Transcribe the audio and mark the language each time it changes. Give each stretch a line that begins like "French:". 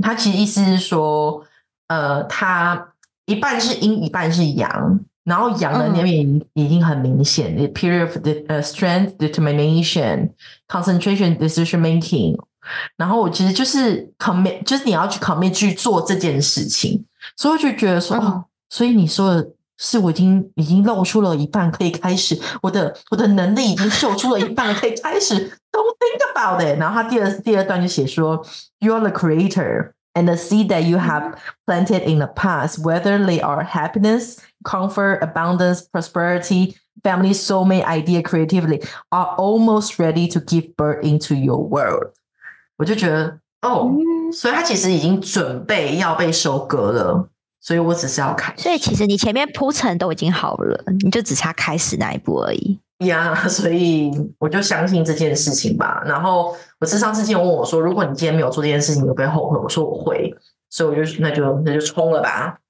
Chinese: 他其实意思是说他一半是阴一半是阳，然后阳的那边已经很明显、
English: The period of the, strength, determination, concentration, decision making。
Chinese: 然后我其实就是 commit， 就是你要去 commit 去做这件事情，所以我就觉得说、所以你说的是我已经露出了一半可以开始，我的能力已经秀出了一半可以开始。
English: Don't think about it。
Chinese: 然后他第二段就写说
English: You're the creator and the seed that you have planted in the past, whether they are happiness, comfort, abundance, prosperity, family, soulmate, idea, creativity, are almost ready to give birth into your world。
Chinese: 我就觉得所以他其实已经准备要被收割了，所以我只是要开始。所以其实你前面铺陈都已经好了，你就只差开始那一步而已。 Yeah， 所以我就相信这件事情吧。然后我是上次就问我说，如果你今天没有做这件事情，你会不会后悔？我说我会，所以我就那就冲了吧。